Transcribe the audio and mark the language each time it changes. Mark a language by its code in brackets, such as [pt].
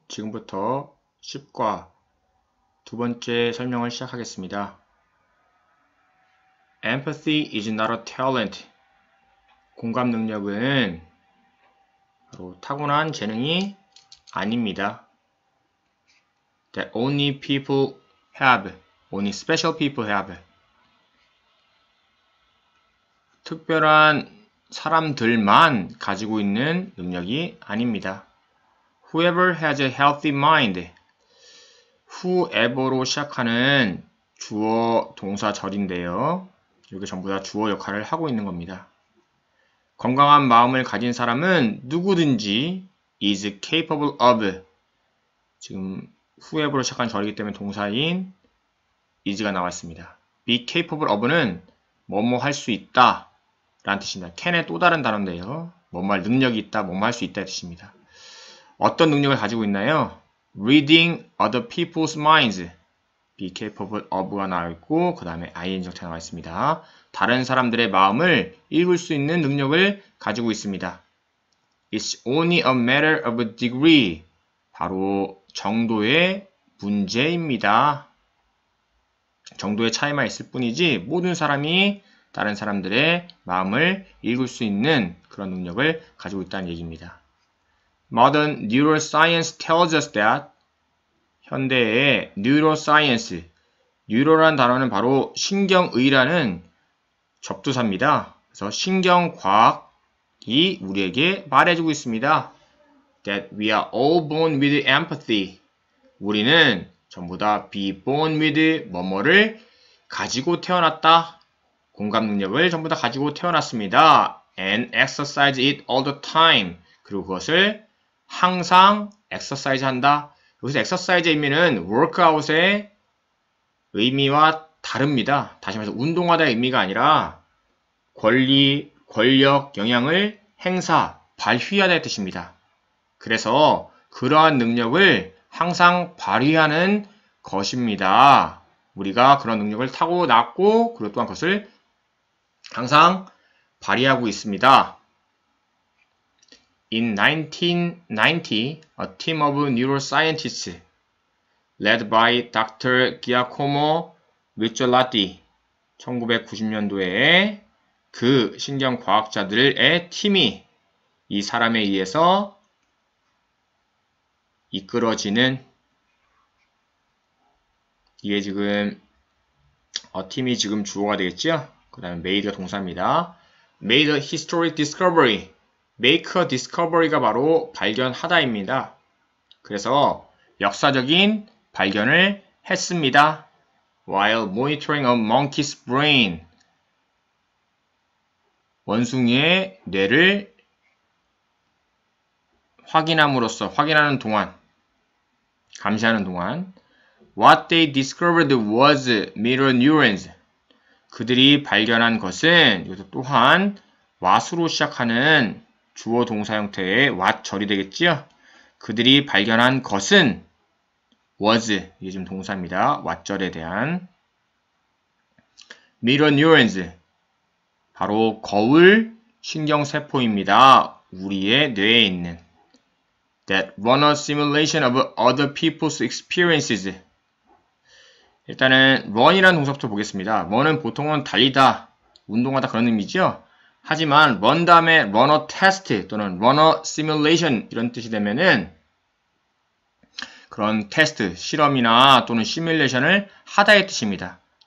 [ko] 지금부터 10과 두 번째 설명을 시작하겠습니다. [en] Empathy is not a talent. [ko] 공감 능력은 바로 타고난 재능이 아닙니다. [en] That only people have, only special people have. [ko] 특별한 사람들만 가지고 있는 능력이 아닙니다. [en] Whoever has a healthy mind. [ko] Whoever로 시작하는 주어 동사절인데요. 이게 전부 다 주어 역할을 하고 있는 겁니다. 건강한 마음을 가진 사람은 누구든지 [en] is capable of. [ko] 지금 whoever로 시작한 절이기 때문에 동사인 is가 나왔습니다. Be capable of는 뭐뭐 할수 있다. 라는 뜻입니다. can의 또 다른 단어인데요. 뭐뭐 할 능력이 있다. 뭐뭐 할수 있다. 이 뜻입니다. 어떤 능력을 가지고 있나요? [en] Reading other people's minds. Be capable of [ko] 가 나와 있고, 그 다음에 ing 형태가 나와 있습니다. 다른 사람들의 마음을 읽을 수 있는 능력을 가지고 있습니다. [en] It's only a matter of a degree. [ko] 바로 정도의 문제입니다. 정도의 차이만 있을 뿐이지, 모든 사람이 다른 사람들의 마음을 읽을 수 있는 그런 능력을 가지고 있다는 얘기입니다. [en] Modern neuroscience tells us that [ko] 현대의 [en] neuroscience, [ko] neuro란 단어는 바로 신경의라는 접두사입니다. 그래서 신경과학이 우리에게 말해주고 있습니다. [en] That we are all born with empathy. [ko] 우리는 전부 다 [en] be born with [ko] 뭐뭐를 가지고 태어났다. 공감 능력을 전부 다 가지고 태어났습니다. [en] And exercise it all the time. [ko] 그리고 그것을 항상 exercise 한다. 여기서 exercise의 의미는 workout의 의미와 다릅니다. 다시 말해서 운동하다의 의미가 아니라 권리, 권력, 영향을 행사, 발휘하다의 뜻입니다. 그래서 그러한 능력을 항상 발휘하는 것입니다. 우리가 그런 능력을 타고났고, 그리고 또한 그것을 항상 발휘하고 있습니다. [en] In 1990, a team of neuroscientists led by Dr. [ko] Giacomo Rizzolatti, 1990년도에 그 신경과학자들의 팀이 이 사람에 의해서 이끌어지는, 이게 지금, team이 지금 주어가 되겠죠? 그 다음에 made가 동사입니다. [en] Made a historic discovery. [ko] Make a discovery가 바로 발견하다입니다. 그래서 역사적인 발견을 했습니다. [en] While monitoring a monkey's brain. [ko] 원숭이의 뇌를 확인함으로써, 확인하는 동안, 감시하는 동안, [en] What they discovered was mirror neurons. [ko] 그들이 발견한 것은, 이것도 또한, was로 시작하는 주어 동사 형태의 what절이 되겠지요? 그들이 발견한 것은 was, 이게 지금 동사입니다. what절에 대한 mirror neurons, 바로 거울 신경세포입니다. 우리의 뇌에 있는 [en] that run a simulation of other people's experiences. [ko] 일단은 run이라는 동사부터 보겠습니다. run은 보통은 달리다, 운동하다 그런 의미죠? 하지만 run 다음에 [en] runner test [ko] 또는 [en] runner simulation [ko] 이런 뜻이 되면은 그런 테스트, 실험이나 또는 시뮬레이션을 하다의 뜻입니다.